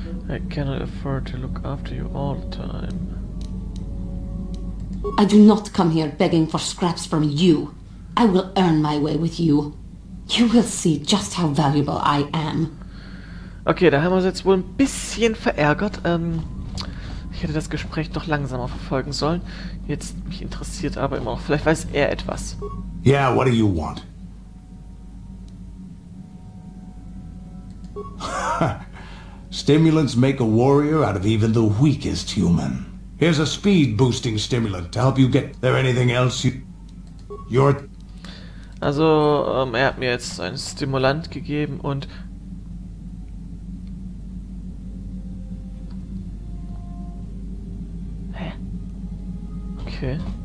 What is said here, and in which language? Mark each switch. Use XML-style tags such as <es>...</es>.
<en>I cannot afford to look after you all the time. I do not come here begging for scraps from you. I will earn my way with you. You will see just how valuable I am.</en> <de>Okay, da haben wir uns jetzt wohl ein bisschen verärgert. Ich hätte das Gespräch doch langsamer verfolgen sollen. Jetzt mich interessiert aber immer noch. Vielleicht weiß er etwas.</de> <en>Yeah, what do you want? Stimulants make a warrior out of even the weakest human. Here's a speed-boosting stimulant to help you get there. Anything else you... You're...</en> <de>Also, er hat mir jetzt ein Stimulant gegeben und... Hä? Okay.</de>